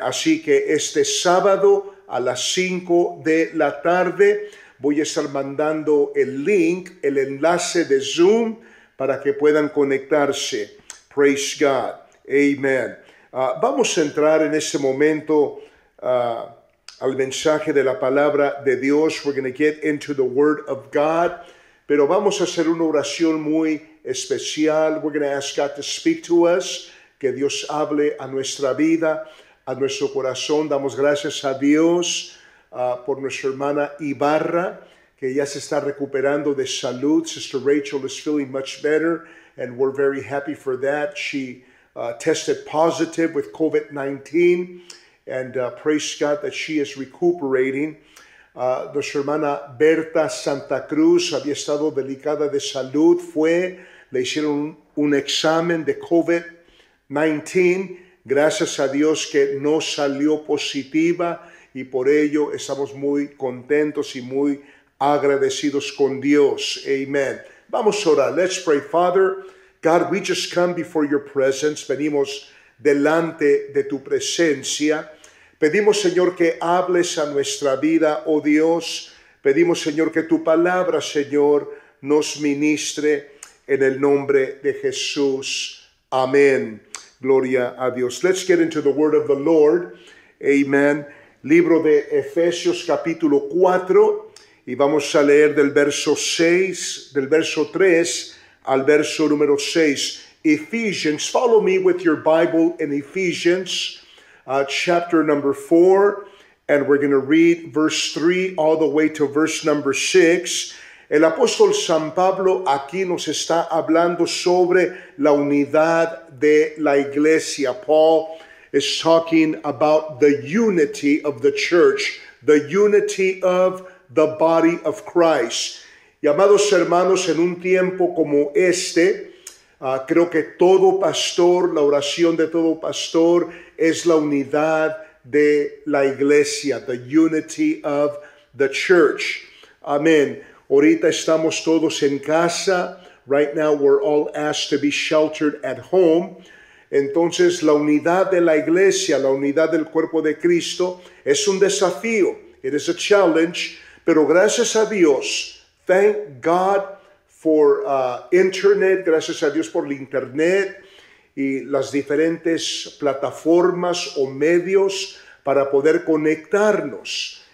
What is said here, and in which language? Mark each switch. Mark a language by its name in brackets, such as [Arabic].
[Spanish] Así que este sábado a las 5 de la tarde voy a estar mandando el link, el enlace de Zoom para que puedan conectarse. [English] Praise God. [Spanish] Amen. Vamos a entrar en este momento al mensaje de la palabra de Dios. [English] We're going to get into the Word of God. [Spanish] Pero vamos a hacer una oración muy especial. [English] We're going to ask God to speak to us. [Spanish] Que Dios hable a nuestra vida, a nuestro corazón. Damos gracias a Dios por nuestra hermana Ibarra, que ya se está recuperando de salud. [English] Sister Rachel is feeling much better, and we're very happy for that. She tested positive with COVID-19, and praise God that she is recuperating. [Spanish] Nuestra hermana Berta Santa Cruz había estado delicada de salud. Le hicieron un examen de COVID-19. Gracias a Dios que no salió positiva, y por ello estamos muy contentos y muy agradecidos con Dios. Amen. Vamos a orar. [English] Let's pray. Father, God, we just come before your presence. [Spanish] Venimos delante de tu presencia. Pedimos, Señor, que hables a nuestra vida, oh Dios. Pedimos, Señor, que tu palabra, Señor, nos ministre en el nombre de Jesús. Amén. Gloria a Dios. [English] Let's get into the word of the Lord. Amen. [Spanish] Libro de Efesios capítulo 4 y vamos a leer del verso 6, del verso 3 al verso número 6. [English] Ephesians, follow me with your Bible in Ephesians chapter number 4 and we're going to read verse 3 all the way to verse number 6. [Spanish] El apóstol San Pablo aquí nos está hablando sobre la unidad de la iglesia. [English] Paul is talking about the unity of the church, the unity of the body of Christ. [Spanish] Y amados hermanos, en un tiempo como este, creo que todo pastor, la oración de todo pastor es la unidad de la iglesia, [English] the unity of the church. [Spanish] Amén. Ahorita estamos todos en casa. [English] Right now we're all asked to be sheltered at home. [Spanish] Entonces la unidad de la iglesia, la unidad del cuerpo de Cristo es un desafío. [English] It is a challenge. [Spanish] Pero gracias a Dios, [English] thank God for internet, [Spanish] gracias a Dios por el internet y las diferentes plataformas o medios para poder conectarnos.